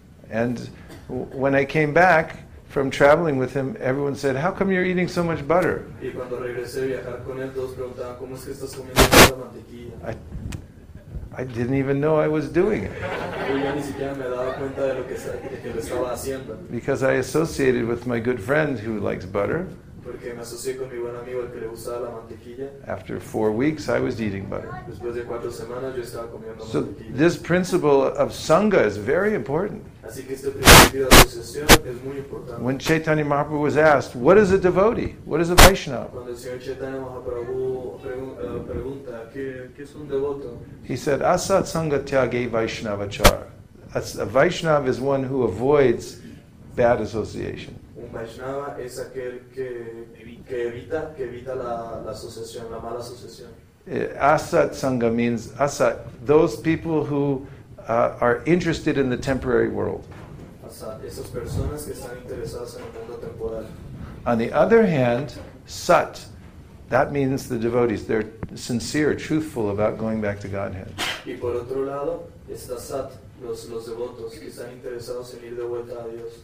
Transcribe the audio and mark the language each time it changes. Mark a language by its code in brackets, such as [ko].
[en] And when I came back from traveling with him, everyone said, "How come you're eating so much butter?" [es] Y cuando regresé a viajar con él, todos preguntaban, ¿cómo es que estás comiendo tanta mantequilla? [en] I didn't even know I was doing it. [es] Y yo ni siquiera me daba cuenta de lo que estaba haciendo. [en] Because I associated with my good friend who likes butter. [es] Porque me asocié con mi buen amigo el que le gustaba la mantequilla. [en] After 4 weeks, I was eating butter. [es] Después de 4 semanas, yo estaba comiendo mantequilla. [en] So this principle of Sangha is very important. [es] Así que este principio de asociación es muy importante. [en] When Chaitanya Mahaprabhu was asked, what is a devotee? What is a Vaishnava? [es] Cuando el señor Chaitanya Mahaprabhu pregunta, ¿qué es un devoto? [en] He said, [sa] Asat Sangha Tyage Vaishnava Char. [en] A Vaishnava is one who avoids bad association. [es] Un Vaishnava es aquel que evita la asociación, la mala asociación. [en] Asat Sangha means Asat, those people who are interested in the temporary world. [es] Esas personas que están interesadas en el mundo temporal. [en] On the other hand, Sat, that means the devotees. They're sincere, truthful about going back to Godhead. [es] Y por otro lado, está Sat, los devotos que están interesados en ir de vuelta a Dios.